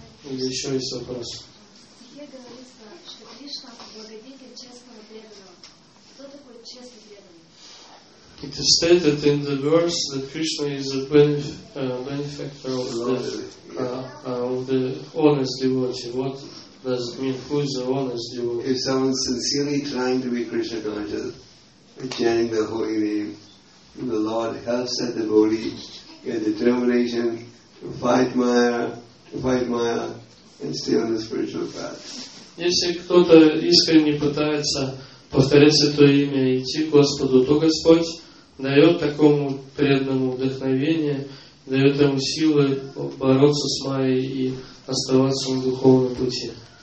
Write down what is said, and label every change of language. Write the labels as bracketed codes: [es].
[ru] Или еще есть вопрос? Где говорится, что Кришна благодетель честного преданного? Кто такой честный преданный? [en] It is stated in the verse that Krishna is a benefactor of the honest devotee. What does it mean? Who is the honest devotee? If someone sincerely trying to be Krishna conscious, chanting the holy name, the Lord helps that devotee get determination to fight Maya, white maya and stay on the spiritual path. [ru] Если кто-то искренне пытается повторять Святое Имя и идти к Господу, то Господь дает такому преданному вдохновение, дает ему силы бороться с Майей и оставаться на духовном пути.